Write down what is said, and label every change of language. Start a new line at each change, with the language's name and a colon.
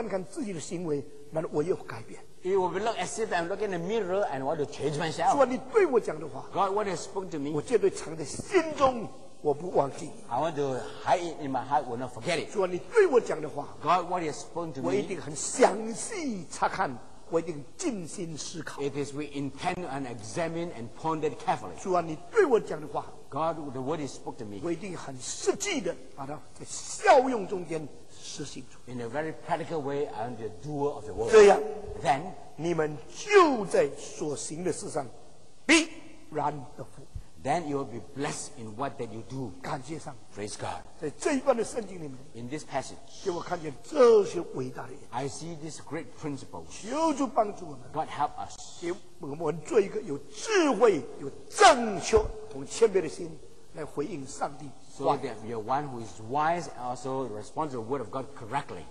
Chinese: 我一定当作是照着镜子观看自己的行为，那我又改变。
English: It will be look as if I'm looking in the mirror and want to change myself.
Chinese: 主啊，你对我讲的话，
English: God, what has spoken to me?
Chinese: 我绝对藏在心中， 我不忘记。
English: I want to hide it in my heart, will not forget it.
Chinese: 主啊，你对我讲的话，
English: God, what has spoken to me?
Chinese: 我一定很详细查看， 我一定尽心思考。
English: It is we intend and examine and ponder carefully.
Chinese: 主啊，你对我讲的话，
English: God, the word has spoken to me.
Chinese: 我一定很实际的把它在效用中间。
English: In a very practical way, I am the doer of the word.
Chinese: 这样,
English: then,
Chinese: 你们就在所行的事上必然得福。
English: Then you will be blessed in what that you do.
Chinese: 感谢上,
English: praise God.
Chinese: 在这一段的圣经里面,
English: in this passage,
Chinese: 给我看见这些伟大的人,
English: I see this great principle.
Chinese: 求主帮助我们,
English: God help us.
Chinese: 给我们做一个有智慧、有正确、有谦卑的心。来回应上帝,
English: so that we are one who is wise and also responds to the word of God correctly.